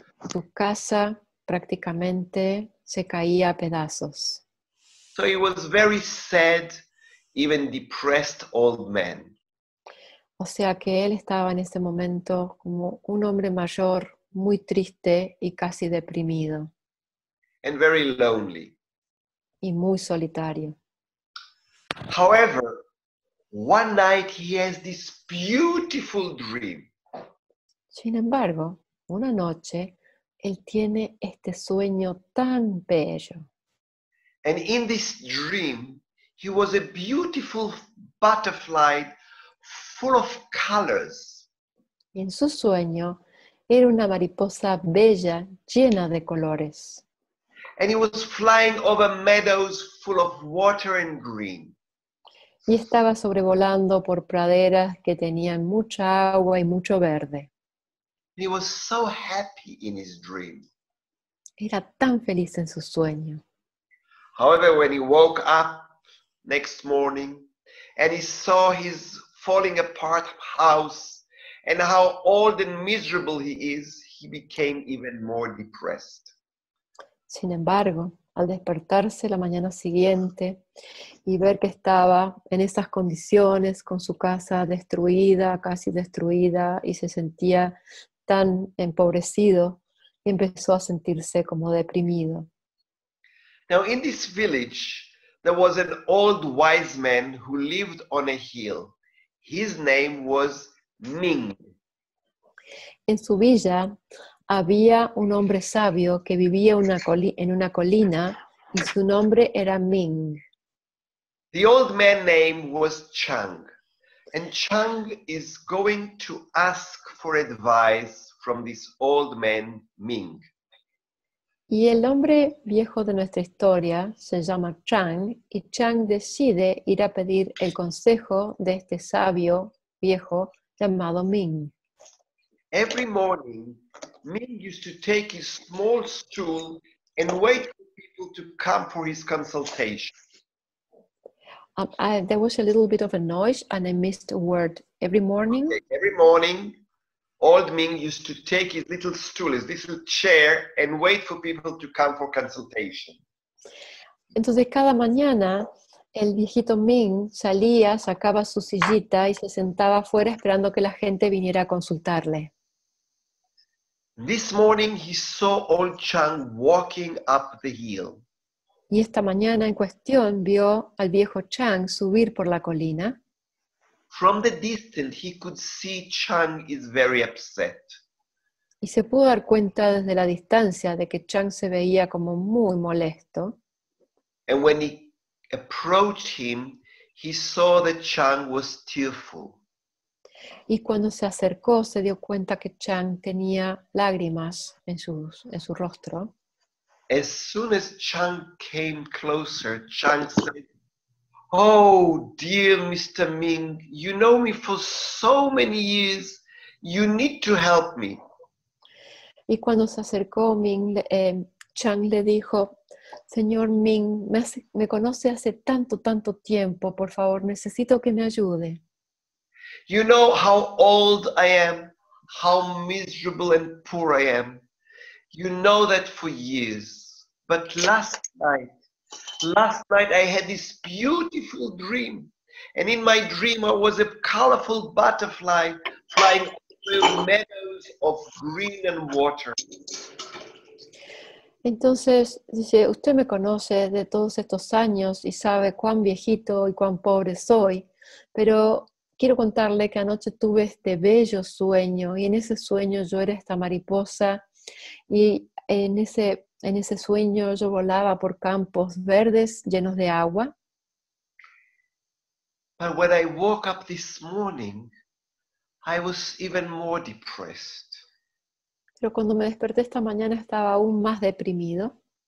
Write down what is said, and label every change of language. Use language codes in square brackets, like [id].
[es] Su casa prácticamente se caía a pedazos. [en] So he was very sad, even depressed old man. [es] O sea que él estaba en ese momento como un hombre mayor, muy triste y casi deprimido. [en] And very lonely. [es] Y muy solitario. [en] However, one night he has this beautiful dream. [es] Sin embargo, una noche él tiene este sueño tan bello. [en] And in this dream, he was a beautiful butterfly full of colors. [es] En su sueño, era una mariposa bella, llena de colores. [en] And he was flying over meadows full of water and green. [es] Y estaba sobrevolando por praderas que tenían mucha agua y mucho verde. [en] He was so happy in his dream. [es] Era tan feliz en su sueño. [en] However, when he woke up next morning and he saw his falling apart house and how old and miserable he is, he became even more depressed. [es] Sin embargo, al despertarse la mañana siguiente y ver que estaba en esas condiciones, con su casa destruida, casi destruida, y se sentía tan empobrecido, empezó a sentirse como deprimido. [en] Now, in this village, there was an old wise man who lived on a hill. His name was Ning. [es] En su villa, había un hombre sabio que vivía en una colina y su nombre era Ming. [en] The old man's name was Chang, and Chang is going to ask for advice from this old man, Ming. [es] Y el hombre viejo de nuestra historia se llama Chang, y Chang decide ir a pedir el consejo de este sabio viejo llamado Ming. [en] Every morning, Ming used to take his small stool and wait for people to come for his consultation. There was a little bit of a noise and I missed a word. Every morning? Okay. Every morning, old Ming used to take his little stool, his little chair, and wait for people to come for consultation. [es] Entonces, cada mañana, el viejito Ming salía, sacaba su sillita y se sentaba afuera esperando que la gente viniera a consultarle. [en] This morning he saw old Chang walking up the hill. [es] Y esta mañana en cuestión vio al viejo Chang subir por la colina. [en] From the distance he could see Chang is very upset. [es] Y se pudo dar cuenta desde la distancia de que Chang se veía como muy molesto. [en] And when he approached him, he saw that Chang was tearful. [es] Y cuando se acercó, se dio cuenta que Chang tenía lágrimas en su rostro. [en] As soon as Chang came closer, Chang said, "Oh, dear Mr. Ming, you know me for so many years, you need to help me." [es] Y cuando se acercó Ming, Chang le dijo, "Señor Ming, me conoce hace tanto tiempo, por favor, necesito que me ayude." [en] You know how old I am, how miserable and poor I am. You know that for years. But last night I had this beautiful dream. And in my dream I was a colorful butterfly flying through meadows of green and water. [es] Entonces, dice, usted me conoce de todos estos años y sabe cuán viejito y cuán pobre soy, pero quiero contarle que anoche tuve este bello sueño y en ese sueño yo era esta mariposa y en ese sueño yo volaba por campos verdes llenos de agua. [en] But when I woke up this morning, I was even more depressed. [es] Pero cuando me desperté esta mañana estaba aún más deprimido.